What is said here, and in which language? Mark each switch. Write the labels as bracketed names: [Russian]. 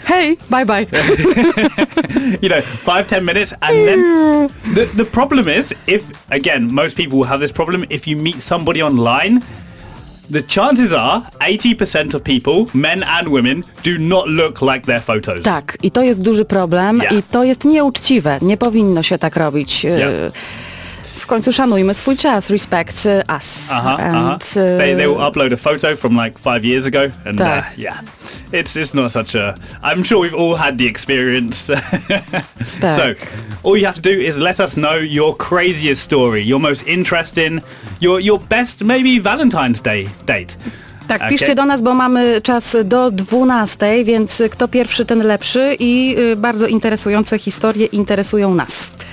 [English] hey, bye-bye. You know, 5-10 minutes and then... The problem is, if, again, most people will have this problem, if you meet somebody online, the chances are 80% of people, men and women, do not look like their photos. [Polish] Tak, i to jest duży problem [English] yeah. [Polish] i to jest nieuczciwe. Nie powinno się tak robić. [English] Yeah. [Polish] W końcu szanujmy swój czas, [English] respect us. Aha, and, aha. They will upload a photo from like 5 years ago. And [Polish] tak. [English] Yeah, it's not such a... I'm sure we've all had the experience. [Polish] Tak. [English] So, all you have to do is let us know your craziest story, your most interesting, your best maybe Valentine's Day date. [Polish] Tak, okay. Piszcie do nas, bo mamy czas do 12, więc kto pierwszy, ten lepszy i bardzo interesujące historie interesują nas.